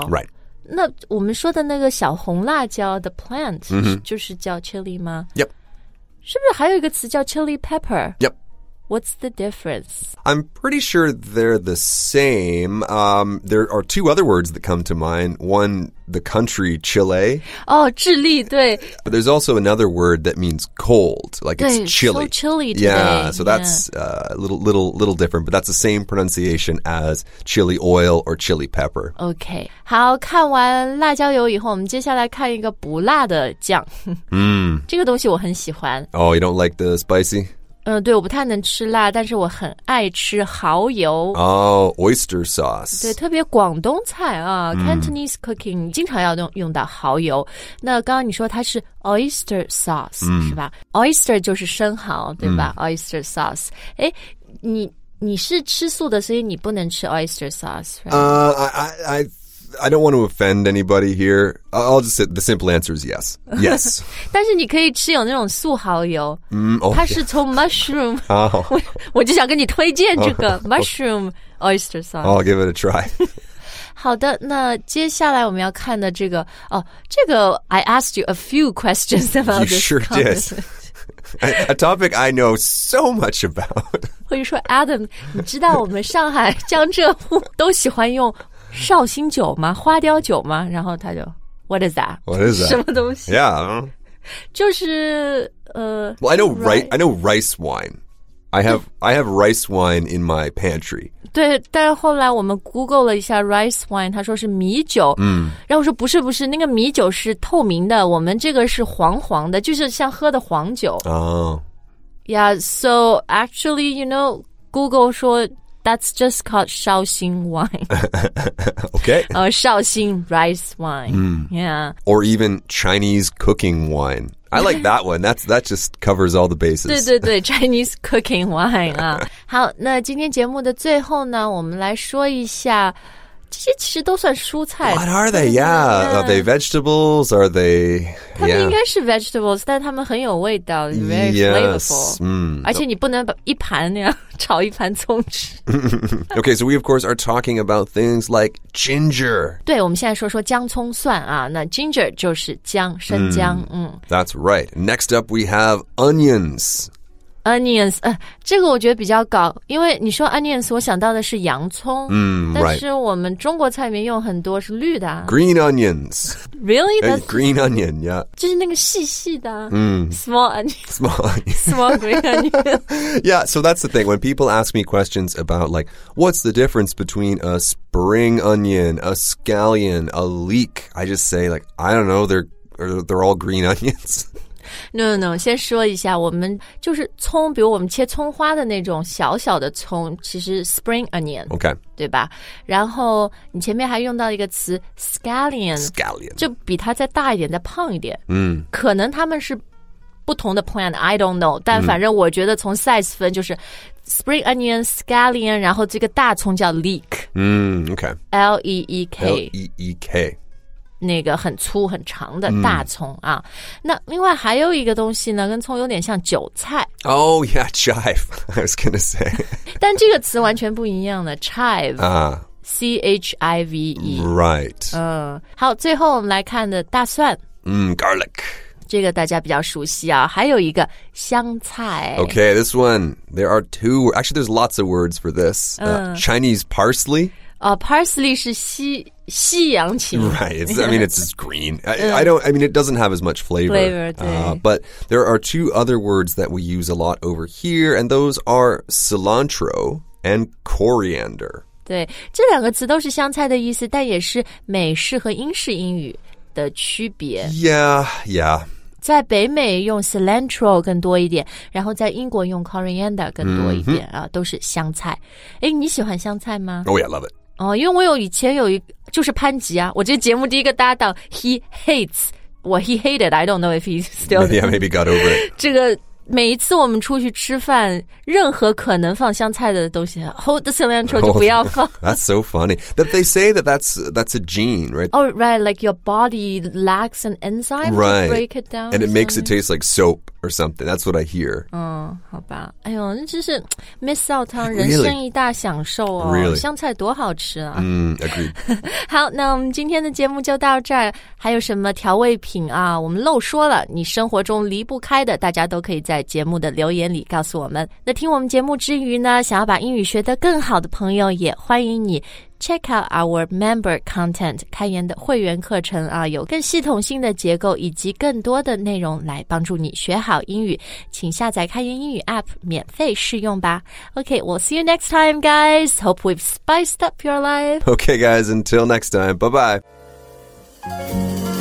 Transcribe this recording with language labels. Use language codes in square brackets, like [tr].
[en] Right. [zh] 那我们说的那个小红辣椒的 plant、mm-hmm. 就是叫 chili 吗 [en] Yep. [zh] 是不是还有一个词叫 chili pepper? [en] Yep. What's the difference? I'm pretty sure they're the same.、there are two other words that come to mind. One, the country Chile. [zh] Oh, 智利对 [en] But there's also another word that means cold, like it's chili. So chili today. Yeah, so that's a little different, but that's the same pronunciation as chili oil or chili pepper. Okay. [zh] 好，看完辣椒油以后，我们接下来看一个不辣的酱。这个东西我很喜欢。 [en] Oh, you don't like the spicy? [zh] 对，我不太能吃辣，但是我很爱吃蚝油。 [en] 哦、oyster sauce. [zh] 对，特别广东菜啊、Cantonese cooking 经常要用到蚝油。那刚刚你说它是 oyster sauce,、是吧 ?oyster 就是生蚝对吧、oyster sauce. 诶你是吃素的所以你不能吃 oyster sauce, right?、 [en] I don't want to offend anybody here. I'll just say the simple answer is yes. Yes. [zh] 但是你可以吃有那种素蚝油。 [en] Oh, [zh] 它是从 mushroom.、 [en] Yeah. [zh] 我就想跟你推荐这个 mushroom oyster sauce. [en] I'll give it a try. [zh] 好的，那接下来我们要看的这个，哦，这个 [en] I asked you a few questions about you this. You sure、 comment. did. A topic I know so much about. [zh] 或者说 Adam, 你知道我们上海江浙都喜欢用绍兴酒吗花雕酒吗然后他就 [en] What is that? What is that? [zh] 什么东西 [en] Yeah. [zh] 就是 [en] Well, I know rice wine. I have rice wine in my pantry. [zh] 对但后来我们 Google 了一下 rice wine, 他说是米酒。然后我说不是不是那个米酒是透明的我们这个是黄黄的就是像喝的黄酒。哦、 [en] Yeah, so actually, you know, Google 说That's just called 绍兴 wine. okay. 绍兴 rice wine.、Yeah. Or even Chinese cooking wine. I like that one. That just covers all the bases. [zh] 对对对 [en] Chinese cooking wine. [zh] 啊。好那今天节目的最后呢我们来说一下这些其实都算蔬菜。 [en] What are they? Yeah. Are they vegetables? Are they... [zh] 它们应该是 vegetables,、 [en] yeah. [zh] 但它们很有味道 very [en] yes, [zh] flavorful.、而且你不能把一盘那样炒一盘葱吃。 [en] okay, so we of course are talking about things like ginger. [zh] 对我们现在说姜葱蒜啊那 ginger 就是姜生姜。 [en] That's right. Next up, we have onions. [zh] Onions,、这个我觉得比较搞因为你说 onions 我想到的是洋葱、但是我们中国菜里面用很多是绿的、 [en] Green onions Really? Green onion, yeah 就是那个细细的、Small onions Small onions Small green onions Yeah, so that's the thing when people ask me questions about like what's the difference between a spring onion a scallion a leek I just say like I don't know they're all green onions [zh] No, 先说一下我们就是葱比如我们切葱花的那种小小的葱其实 spring onion, [en] okay, [zh] 对吧然后你前面还用到一个词 scallion, 就比它再大一点再胖一点、可能它们是不同的 plant, [en] I don't know, [zh] 但反正我觉得从 size 分就是 spring onion, scallion, 然后这个大葱叫 leek,、 [en] okay, L-E-E-K, L-E-E-K. [zh] 那个很粗很长的大葱啊、那另外还有一个东西呢跟葱有点像韭菜 [en] Oh yeah, chive, I was gonna say [zh] 但这个词完全不一样的 chive、C-H-I-V-E [en] Right、 [zh] 好最后我们来看的大蒜、 [en] Garlic [zh] 这个大家比较熟悉啊还有一个香菜 [en] Okay, this one, there are two Actually there's lots of words for this、Chinese parsley [zh] Parsley 是西洋芹 [en] Right, I mean it's green I mean it doesn't have as much flavor [zh] 对、 [en] But there are two other words that we use a lot over here And those are cilantro and coriander [zh] 对这两个词都是香菜的意思但也是美式和英式英语的区别 [en] Yeah [zh] 在北美用 cilantro 更多一点然后在英国用 coriander 更多一点、都是香菜诶你喜欢香菜吗 [en] Oh yeah, I love it [zh] 因为我以前有一就是潘吉啊我这节目第一个搭档 [en] He hates Well, he hated I don't know if he still Yeah, maybe got over it [zh] 这个每一次我们出去吃饭任何可能放香菜的东西 [en] Hold the cilantro [zh] 就不要放 [en] That's so funny But they say that that's a gene, right? Oh, right, like your body lacks an enzyme Right to break it down And it makes it taste like soap or something. That's what I hear. [zh] 好吧。哎呦，那真是 [en] miss out [zh] 啊，人生一大享受哦。 [en] Really? [zh] 香菜多好吃啊。 [en] Agreed. [zh] 好，那我们今天的节目就到这儿。还有什么调味品啊，我们漏说了，你生活中离不开的，大家都可以在节目的留言里告诉我们。那听我们节目之余呢，想要把英语学得更好的朋友也欢迎你 [en] Check out our member content, [zh] 开源的会员课程啊，有更系统性的结构以及更多的内容来帮助你学好英语，请下载开源英语 app 免费试用吧。 [en] Okay, we'll see you next time, guys. Hope we've spiced up your life. Okay, guys, until next time. Bye-bye.